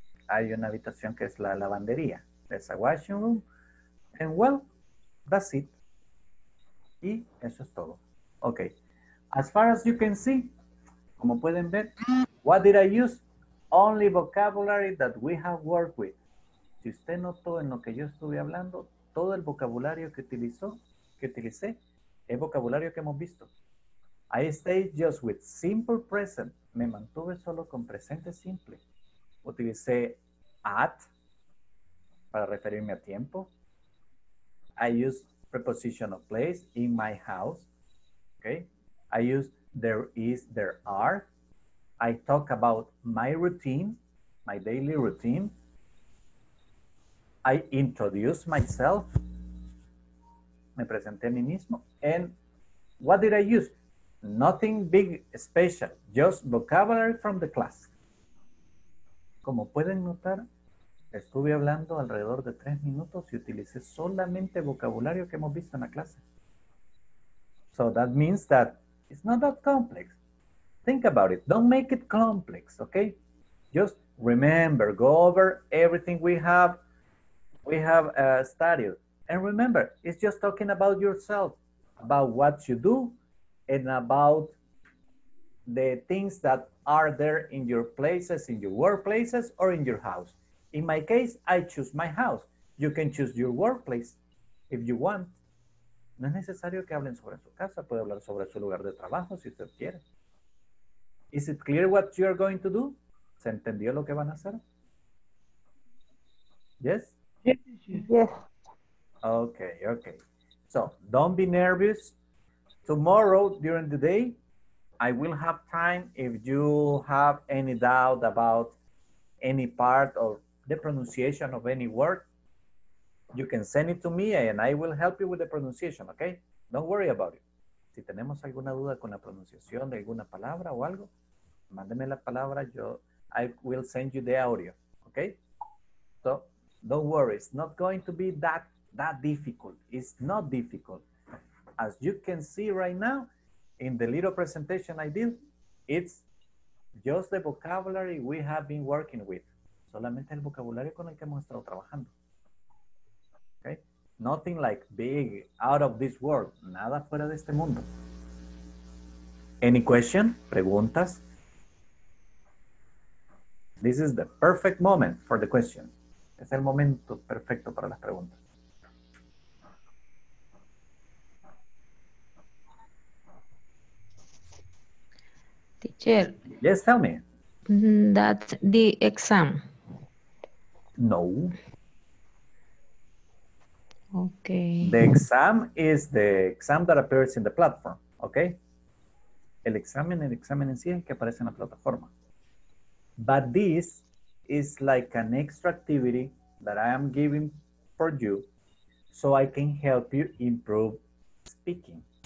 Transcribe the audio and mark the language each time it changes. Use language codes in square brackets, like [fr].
[es] Hay una habitación que es la lavandería. [en] There's a washing room. And well, that's it. [es] Y eso es todo. [en] Okay. As far as you can see, [es] como pueden ver, [en] what did I use? Only vocabulary that we have worked with. [es] Si usted notó en lo que yo estuve hablando, todo el vocabulario que utilicé, es vocabulario que hemos visto. [en] I stayed just with simple present. [es] Me mantuve solo con presente simple. Utilicé at para referirme a tiempo. [en] I used preposition of place, in my house. Okay. I use there is, there are. I talk about my routine, my daily routine. I introduce myself. [es] Me presenté a mí mismo. [en] And what did I use? Nothing big special, just vocabulary from the class. [es] Como pueden notar, estuve hablando alrededor de 3 minutos y utilicé solamente vocabulario que hemos visto en la clase. [en] So that means that it's not that complex. Think about it. Don't make it complex, okay? Just remember, go over everything we have studied. And remember, it's just talking about yourself, about what you do, and about the things that are there in your places, in your workplaces, or in your house. In my case, I choose my house. You can choose your workplace if you want. [es] No es necesario que hablen sobre su casa. Puede hablar sobre su lugar de trabajo si usted quiere. [en] Is it clear what you are going to do? [es] ¿Se entendió lo que van a hacer? [en] Yes? Yes. Okay, okay. So, don't be nervous. Tomorrow, during the day, I will have time if you have any doubt about any part or the pronunciation of any word. You can send it to me and I will help you with the pronunciation, okay? Don't worry about it. [es] Si tenemos alguna duda con la pronunciación de alguna palabra o algo, mándeme la palabra, [en] I will send you the audio, okay? So, don't worry. It's not going to be that difficult. It's not difficult. As you can see right now, in the little presentation I did, it's just the vocabulary we have been working with. [es] Solamente el vocabulario con el que hemos estado trabajando. [en] Okay? Nothing like big, out of this world. [es] Nada fuera de este mundo. [en] Any question? [es] Preguntas? [en] This is the perfect moment for the question. [es] Es el momento perfecto para las preguntas. [en] Teacher. Yes, tell me. That's the exam. No. Okay. The exam is the exam that appears in the platform, okay? [es] El examen en sí es el que aparece en la plataforma. [en] But this is like an extra activity that I am giving for you so I can help you improve speaking.